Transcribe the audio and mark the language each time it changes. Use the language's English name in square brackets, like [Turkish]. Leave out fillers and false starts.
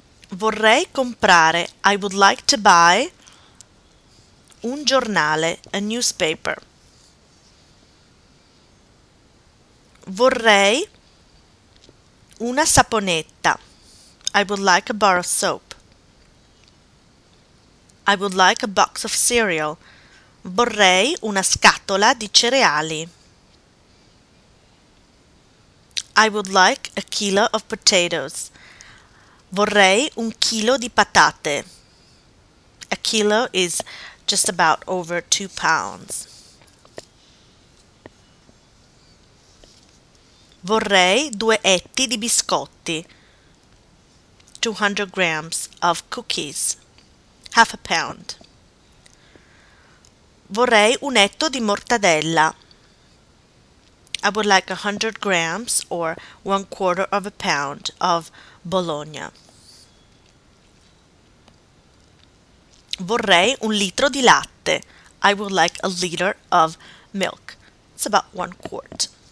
[Italian] Vorrei comprare, [English] I would like to buy, [Italian] un giornale, [English] a newspaper. [Italian] Vorrei una saponetta, [English] I would like a bar of soap. I would like a box of cereal. [Italian] Vorrei una scatola di cereali. [English] I would like a kilo of potatoes. [Italian] Vorrei un chilo di patate. [English] kilo is just about over 2 pounds. [Italian] Vorrei due etti di biscotti. [English] 200 grams of cookies. Half a pound. [Italian] Vorrei un etto di mortadella. [English] I would like 100 grams or 1/4 of a pound of Bologna. [Italian] Vorrei un litro di latte. [English] I would like 1 liter of milk. It's about 1 quart.